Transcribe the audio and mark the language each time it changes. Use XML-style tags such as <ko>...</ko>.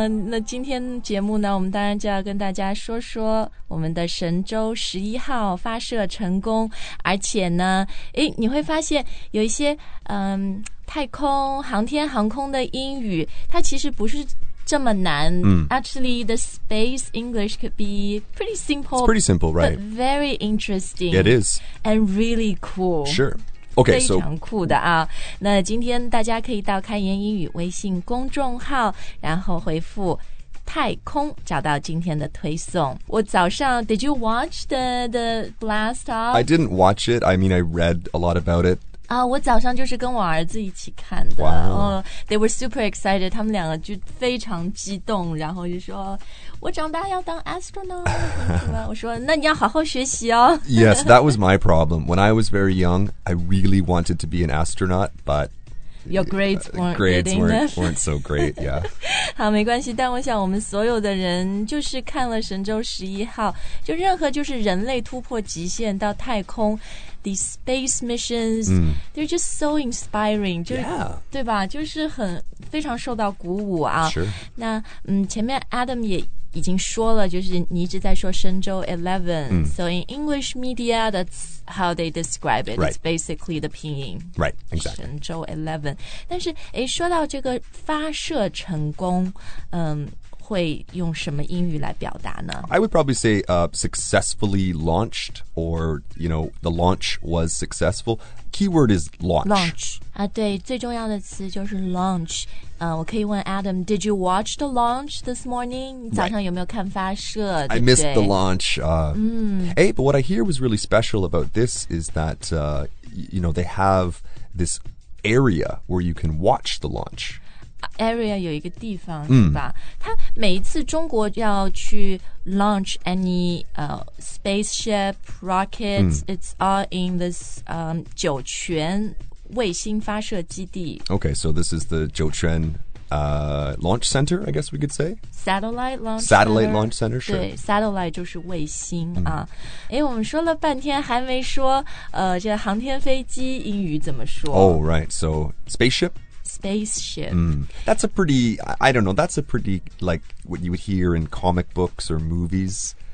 <zh>那今天节目呢，我们当然就要跟大家说说我们的神舟11号发射成功，而且呢，诶，你会发现有一些太空航天航空的英语，它其实不是这么难。</zh> <en>Actually, the space English could be pretty simple. It's pretty simple, right? But very interesting. It is. And really cool. Sure. Okay, so.</en> <zh>非常酷的啊。那今天大家可以到开言英语微信公众号，然后回复太空找到今天的推送。我早上</zh> <en>did you watch the blast off? I didn't watch it. I mean, I read a lot about it.</en> <zh>我早上就是跟我儿子一起看的。</zh> <en>They were super excited.</en> <zh>他们两个就非常激动，然后就说我长大要当 astronaut. 我说那你要好好学习哦。</zh> <en>Yes, that was my problem. When I was very young, I really wanted to be an astronaut, but your grades weren't weren't so great, yeah.</en> <zh>好，没关系，但我想我们所有的人就是看了神舟11号，就任何就是人类突破极限到太空</zh> <en>These space missions, they're just so inspiring. Yeah.</en> <zh>对吧，就是很非常受到鼓舞啊。</zh> <en>Sure.</en> <zh>那前面 Adam 也已经说了，就是你一直在说神舟 11.</zh> <en>So in English media, that's how they describe it. Right. It's basically the 拼音。 Right, exactly.</en> <zh>神舟 11. 但是诶，说到这个发射成功，会用什么英语来表达呢？</zh> <en>I would probably say successfully launched, or you know, the launch was successful. Keyword is launch.</en> <zh>Launch. 啊，对，最重要的词就是 launch. 我可以问</zh> <en>Adam, did you watch the launch this morning?</en> <zh>你早上有没有看发射？</zh> <en>Right.</en> <zh>对不对？</zh> <en>I missed the launch. Hey, but what I hear was really special about this is that you know, they have this area where you can watch the launch.</en> <zh>Area 有一个地方是吧？它每一次中国要去</zh> <en>launch any spaceship rockets, it's all in this</en> <zh>酒泉卫星发射基地。</zh> <en>Okay, so this is the 酒泉launch center, I guess we could say. Satellite launch center. Satellite launch center, sure.</en> <zh>对 ,satellite 就是卫星啊。诶，我们说了半天还没说这航天飞机英语怎么说。</zh> <en>Oh, right, so spaceship? Spaceship. That's a pretty, I don't know, that's a pretty, like, what you would hear in comic books or movies.</en>